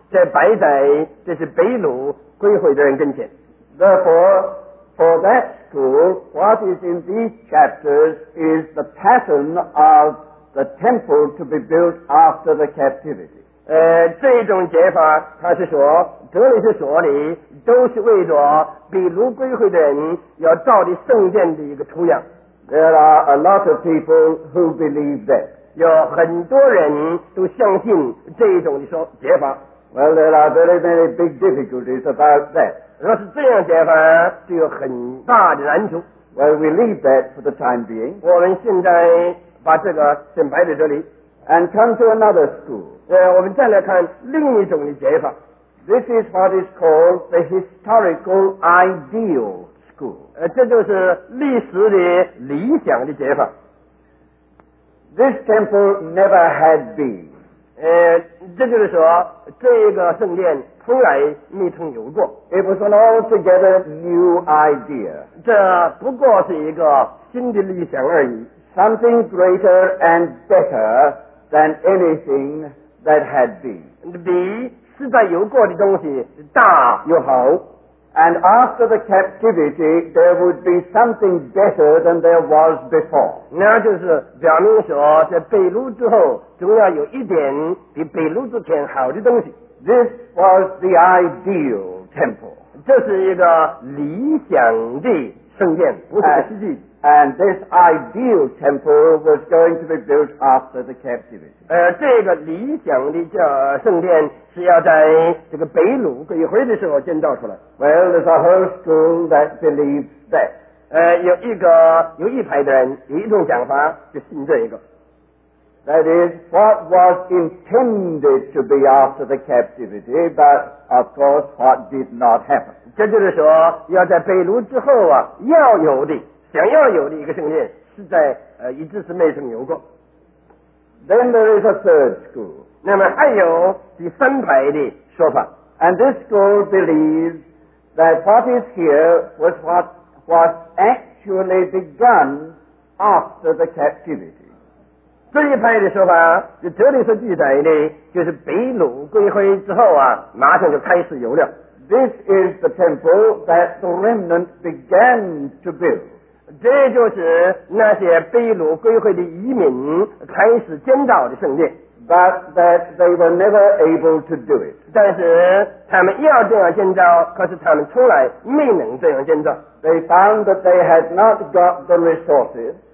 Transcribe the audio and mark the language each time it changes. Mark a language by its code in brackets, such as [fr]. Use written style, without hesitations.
[zh] 他是稍微有一点的更改，就是把所罗门当日那个圣殿的样子重新再摆在这些被掳归回的人跟前。 [en] Therefore, for that school, what is in these chapters is the pattern of the temple to be built after the captivity. [zh] 这种解法，他是说，这里所说的都是为着被掳归回的人要造的圣殿的一个图样。 [en] There are a lot of people who believe that. [zh] 有很多人都相信这一种解法。 [en] Well, there are very many big difficulties about that. [zh] 若是这样解法，就有很大的难处。 [en] Well, we leave that for the time being. [zh] 我们现在把这个先摆在这里。 [en] And come to another school. [zh] 我们再来看另一种解法。 [en] This is what is called the historical ideal school. [zh] 这就是历史的理想的解法。 [en] This temple never had been. [zh] 这就是说这个圣殿从来没曾有过。 [en] It was an altogether new idea. [zh] 这不过是一个新的理想而已。 [en] Something greater and better than anything that had been. [zh] 比实在有过的东西大又好。 [en] And after the captivity, there would be something better than there was before. [zh] 那就是表明说，在被掳之后，总要有一点比被掳之前好的东西。 [en] This was the ideal temple. [zh] 这是一个理想的圣殿，不是实际。 [en] And this ideal temple was going to be built after the captivity. [zh] 这个理想的圣殿是要在这个被掳归回的时候建造出来。 [en] Well, there's a whole school that believes that. [zh] 有一派的人有一种讲法就信这一个。 [en] That is what was intended to be after the captivity, but of course what did not happen. [zh] 这就是说要在被掳之后啊要有的。想要有的一个圣殿是在一直是没曾有过。 [en] Then there is a third school. [zh] 那么还有第三派的说法。 [en] And this school believes that what is here was what was actually begun after the captivity. [zh] 这一派的说法就这里所记载的就是被掳归回之后啊马上就开始有了。 [en] This is the temple that the remnant began to build. [zh] 这就是那些被掳归回的移民开始建造的圣殿。 [en] But that they were never able to do it. [zh] 但是他们要这样建造，可是他们从来没能这样建造。 [en] They found that they had not got the resources.